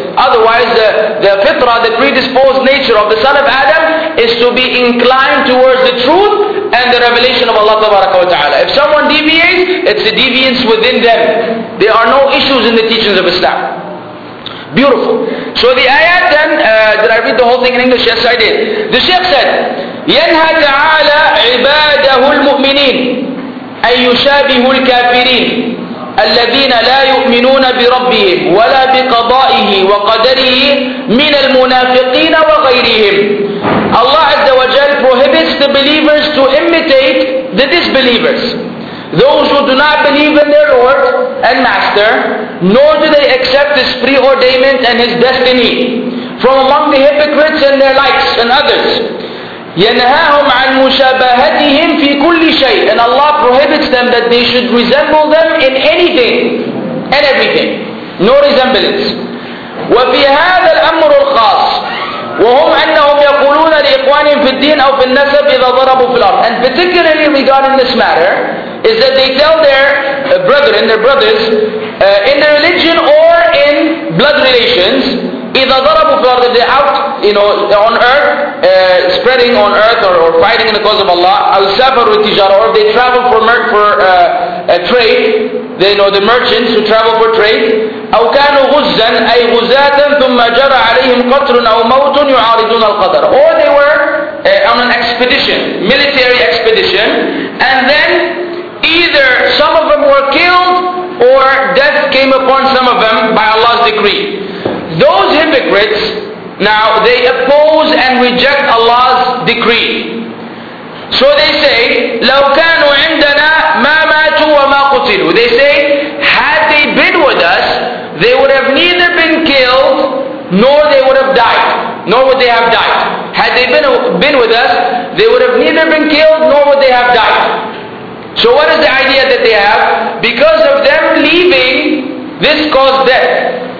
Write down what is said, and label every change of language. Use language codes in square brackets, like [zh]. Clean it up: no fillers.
[en] Otherwise, the fitrah, the predisposed nature of the son of Adam is to be inclined towards the truth and the revelation of Allah tabaraka wa ta'ala. If someone deviates, it's a deviance within them. There are no issues in the teachings of Islam. Beautiful. So the ayat then, did I read the whole thing in English? Yes, I did. The Shaykh said, [ar] يَنْهَى تَعَالَى عِبَادَهُ الْمُؤْمِنِينَ أَن يُشَابِهُ الْكَافِرِينَ الذين لا يؤمنون بربهم ولا بقضائه وقدره من المنافقين وغيرهم. [en] Allah Azza wa Jal prohibits the believers to imitate the disbelievers, those who do not believe in their Lord and Master, nor do they accept His preordainment and His destiny, from among the hypocrites and their likes and others. [ar] ينهاهم عن مشابهتهم في كل شيء. [en] And Allah prohibits them that they should resemble them in anything and everything. No resemblance. [ar] وفي هذا الأمر الخاص وهم أنهم يقولون لإخوانهم في الدين أو في النسب إذا ضربوا في الأرض. [en] And particularly regarding this matter is that they tell their brethren, their brothers, in the religion or in blood relations, [ar] إِذَا ضَرَبُوا فِي الْأَرْضِ, [en] they're out, you know, on earth, spreading on earth or fighting in the cause of Allah, [ar] أَوْ سَافَرُوا تِجَارَةً, [en] or if they travel for a trade, they know the merchants who travel for trade, [ar] أَوْ كَانُوا غُزًّا أَيْ غُزَاتًا ثُمَّ جَرَى عَلَيْهِمْ قَتْرٌ أَوْ مَوْتٌ يُعَارِضُونَ الْقَدَرَ, [en] or they were on an expedition, military expedition, and then either some of them were killed or death came upon some of them by Allah's decree. Those hypocrites, now they oppose and reject Allah's decree. So they say, [ar] لَوْ كَانُوا عِنْدَنَا مَا مَاتُوا وَمَا قُتِلُوا. [en] They say, had they been with us, they would have neither been killed, nor they would have died. Nor would they have died. Had they been with us, they would have neither been killed, nor would they have died. So what is the idea that they have? Because of them leaving, this caused death.